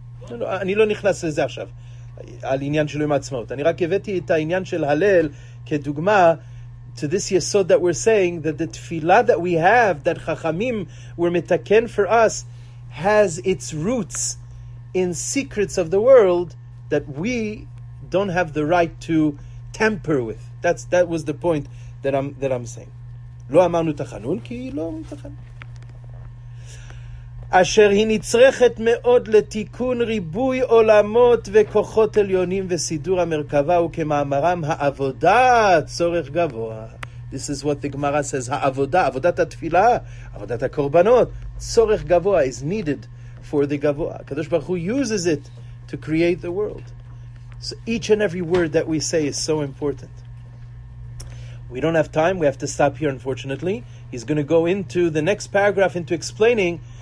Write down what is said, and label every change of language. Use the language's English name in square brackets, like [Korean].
[Hebrew] לא, אני לא נכנס לזה עכשיו, על עניין של יום העצמאות. אני רק הבאתי את העניין של הלל כדוגמה [English] to this yesod that we're saying that the tefillah that we have, that chachamim were metaken for us, has its roots in secrets of the world that we don't have the right to tamper with. That was the point that I'm saying. [Hebrew] לא אמרנו תחנון כי לא אמרנו תחנון. אשר היא נצרכת מאוד לתיקון ריבוי עולמות וכוחות עליונים וסידור המרכבה וכמאמרם העבודה צורך גבוה. [English] This is what the Gemara says, [Hebrew] העבודה, עבודת התפילה, עבודת הקורבנות, צורך גבוה [English] is needed for the גבוה. הקדוש ברוך הוא uses it to create the world. So each and every word that we say is so important. We don't have time, we have to stop here unfortunately. He's going to go into the next paragraph into explaining.